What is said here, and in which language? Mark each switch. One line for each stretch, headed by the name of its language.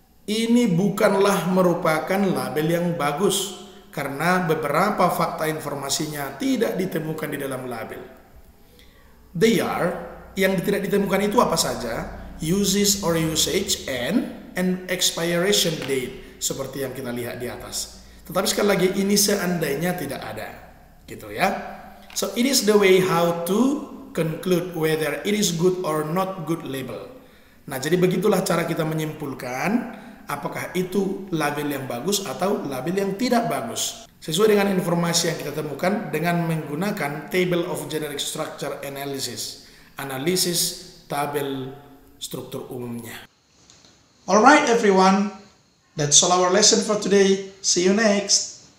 Indonesian: Ini bukanlah merupakan label yang bagus karena beberapa fakta informasinya tidak ditemukan di dalam label.
English: They are,
Indonesian: yang tidak ditemukan itu apa saja?
English: Uses or usage and expiration date
Indonesian: seperti yang kita lihat di atas. Tetapi sekali lagi, ini seandainya tidak ada. Gitu ya.
English: So it is the way how to conclude whether it is good or not good label.
Indonesian: Nah, jadi begitulah cara kita menyimpulkan apakah itu label yang bagus atau label yang tidak bagus. Sesuai dengan informasi yang kita temukan dengan menggunakan Table of Generic Structure Analysis. Analisis tabel struktur umumnya.
English: Alright everyone, that's all our lesson for today. See you next!